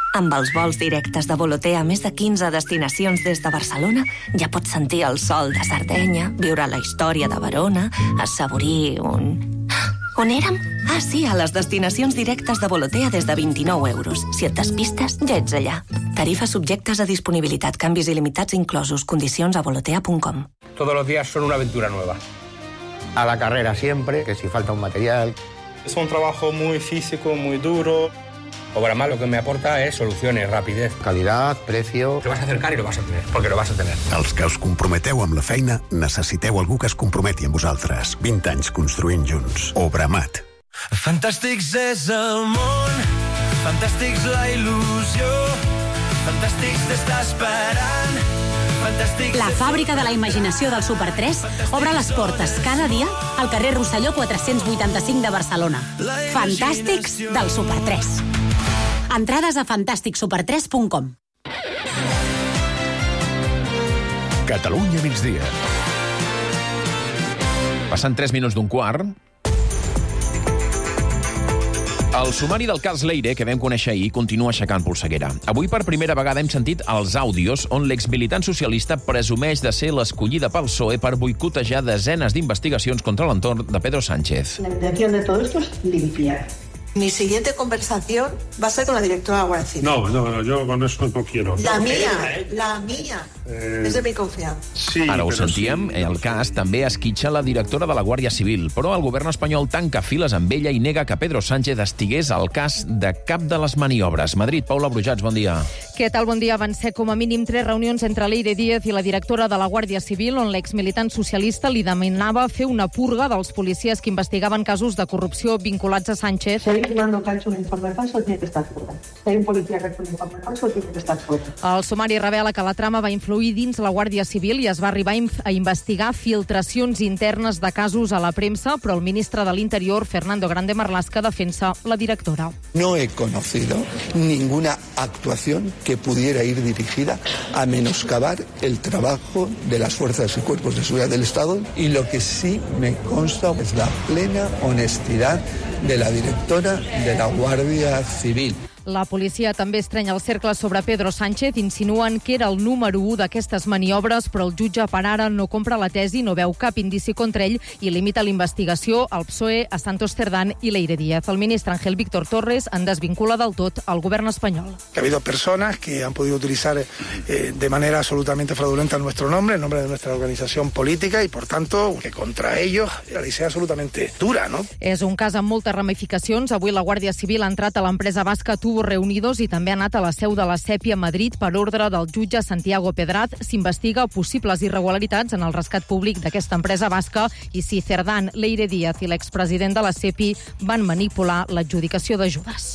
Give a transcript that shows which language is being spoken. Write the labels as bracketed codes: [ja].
[ca] Amb els vols directes de Volotea a més de 15 destinacions des de Barcelona, ja pots sentir el sol de Sardenya, viure la història de Verona, assaborir un... On érem? Ah, sí, a les destinacions directes de Volotea des de 29 euros. Si et despistes, ja ets allà. Tarifes subjectes a disponibilitat, canvis il·limitats inclosos, condicions a volotea.com. [es] Todos los días son una aventura nueva. A la carrera siempre, que si falta un material... Es un trabajo muy físico, muy duro... Obramar lo que me aporta es soluciones, rapidez. Calidad, precio... Te vas a acercar y lo vas a tener, porque lo vas a tener. [ca] Els que us comprometeu amb la feina, necessiteu algú que es comprometi amb vosaltres. 20 anys construint junts. Obramat. Fantàstics és el món, fantàstics la il·lusió, fantàstics t'estàs esperant. La fàbrica de la imaginació del Super 3 obre les portes cada dia al carrer Rosselló 485 de Barcelona. Fantàstics del Super 3. Entrades a fantasticsuper3.com. Catalunya migdia. Passant 3 minuts d'un quart... El sumari del cas Leire, que vam conèixer ahir, continua aixecant polseguera. Avui, per primera vegada, hem sentit els àudios on l'exmilitant socialista presumeix de ser l'escollida pel PSOE per boicotejar desenes d'investigacions contra l'entorn de Pedro Sánchez. [es] La intención de todo esto es limpiar. Mi siguiente conversación va a ser con la directora de Guardia Civil. No, yo con esto no quiero. La mía. Es de mi confianza. [ca] Sí, ara ho sentíem, sí, el cas sí. També esquitxa la directora de la Guàrdia Civil, però el govern espanyol tanca files amb ella i nega que Pedro Sánchez estigués al cas de cap de les maniobres. Madrid, Paula Brujats, bon dia. Què tal, bon dia. Van ser com a mínim 3 reunions entre Leire Díaz i la directora de la Guàrdia Civil, on l'exmilitant socialista li demanava fer una purga dels policies que investigaven casos de corrupció vinculats a Sánchez. Seguim demanant que hagi un informe falso o tiene que estar fuera. Seguim policia que hagi un informe falso o tiene que estar fuera. El sumari revela que la trama va influir dins la Guàrdia Civil i es va arribar a investigar filtracions internes de casos a la premsa, però el ministre de l'Interior, Fernando Grande Marlaska, defensa la directora. [es] No he conocido ninguna actuación que pudiera ir dirigida a menoscabar el trabajo de las fuerzas y cuerpos de seguridad del Estado. Y lo que sí me consta es la plena honestidad de la directora de la Guardia Civil. [ca] La policia també estrenya el cercle sobre Pedro Sánchez, insinuant que era el número 1 d'aquestes maniobres, però el jutge per ara no compra la tesi, no veu cap indici contra ell i limita la investigació al PSOE, a Santos Cerdán i Leire Díaz. El ministre Ángel Víctor Torres en desvincula del tot el govern espanyol. [es] Ha habido personas que han podido utilizar de manera absolutamente fraudulenta nuestro nombre, el nombre de nuestra organización política, y por tanto, que contra ellos la ley sea absolutamente dura, ¿no? [ca] És un cas amb moltes ramificacions. Avui la Guàrdia Civil ha entrat a l'empresa basca Tubos Reunidos i també ha anat a la seu de la SEPI a Madrid per ordre del jutge Santiago Pedraz. S'investiga possibles irregularitats en el rescat públic d'aquesta empresa basca i si Cerdán, Leire Díaz i l'expresident de la SEPI van manipular l'adjudicació d'ajudes.